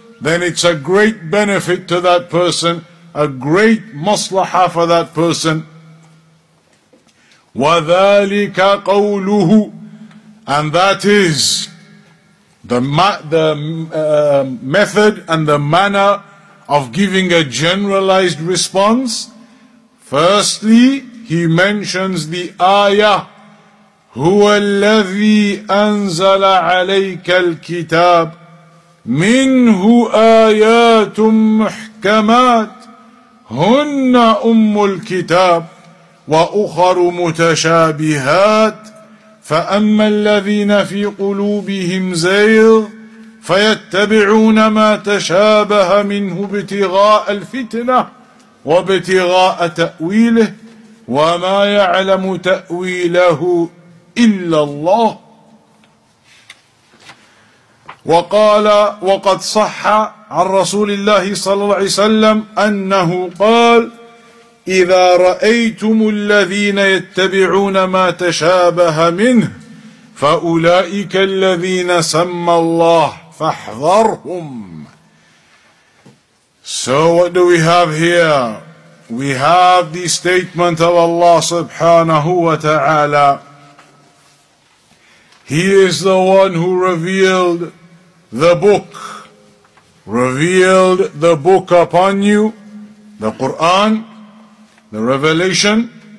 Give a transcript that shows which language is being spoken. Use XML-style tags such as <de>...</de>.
<en>then it's a great benefit to that person, a great maslaha for that person.</en> <ar>وَذَٰلِكَ قَوْلُهُ,</ar> <en>and that is the method and the manner of giving a generalized response. Firstly, he mentions the ayah,</en> <ar>هُوَ الَّذِي أَنزَلَ عَلَيْكَ الْكِتَابِ مِنْهُ آيَاتٌ مُحْكَمَاتٌ هُنَّ أُمُّ الْكِتَابِ وأخر متشابهات فأما الذين في قلوبهم زيغ فيتبعون ما تشابه منه ابتغاء الفتنة وابتغاء تأويله وما يعلم تأويله إلا الله. وقال وقد صح عن رسول الله صلى الله عليه وسلم أنه قال إذا رأيتم الذين يتبعون ما تشابه منه فأولئك الذين سمى الله فاحذرهم.</ar> <en>So what do we have here? We have the statement of Allah subhanahu wa ta'ala. He is the one who revealed the book, upon you, the Quran, the revelation.</en>